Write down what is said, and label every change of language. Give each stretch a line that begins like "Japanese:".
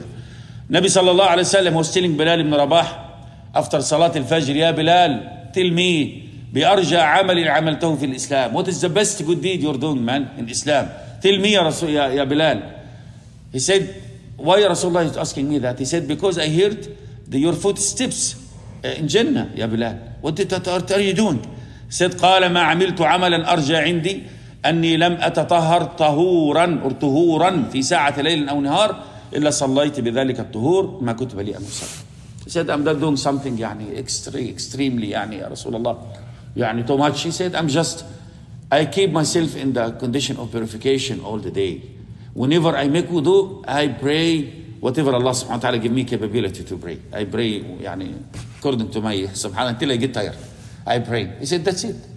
English: Nabi sallallahu alayhi wa sallam was telling Bilal ibn Rabah after Salat al-Fajr, Ya Bilal, tell me,
Arabic: bi-arja amali amaltahu fi al-Islam.
English: What is the best good deed you're doing, man, in Islam? Tell me, ya Bilal. He said, why Rasulullah is asking me that? He said, because I heard your footsteps in Jannah, ya Bilal. What are you doing? He said,
Arabic: qala ma amiltu amalan arja indi. أني لم أتطهر طهورا في ساعة ليل أو نهار إلا صليت بذلك الطهور ما كتب لي أن أصلي.
English: said I'm not doing something يعني extremely يعني
Arabic: يا رسول الله
English: يعني too much. He said I'm just I keep myself in the condition of purification all the day. Whenever I make wudu, I pray whatever Allah subhanahu wa ta'ala give me capability to pray. I pray, يعني, according to my subhanahu until I get tired. I pray. He said, that's it.